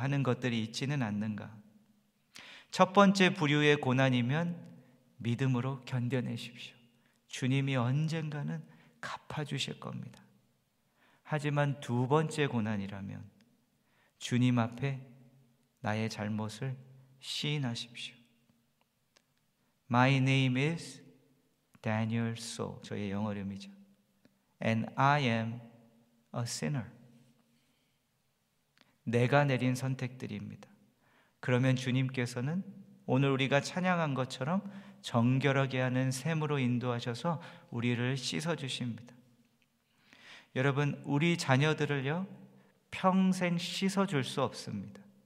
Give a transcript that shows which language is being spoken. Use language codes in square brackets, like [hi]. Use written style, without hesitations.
[ko] 하는 것들이 있지는 않는가? 첫 번째 부류의 고난이면 믿음으로 견뎌내십시오. 주님이 언젠가는 갚아주실 겁니다. 하지만 두 번째 고난이라면 주님 앞에 나의 잘못을 시인하십시오. [en] My name is Daniel So, [ko] 저의 영어 이름이죠. [en] And I am a sinner. [ko] 내가 내린 선택들입니다. 그러면 주님께서는 오늘 우리가 찬양한 것처럼 정결하게 하는 샘으로 인도하셔서 우리를 씻어주십니다. 여러분, 우리 자녀들을요 평생 씻어줄 수 없습니다.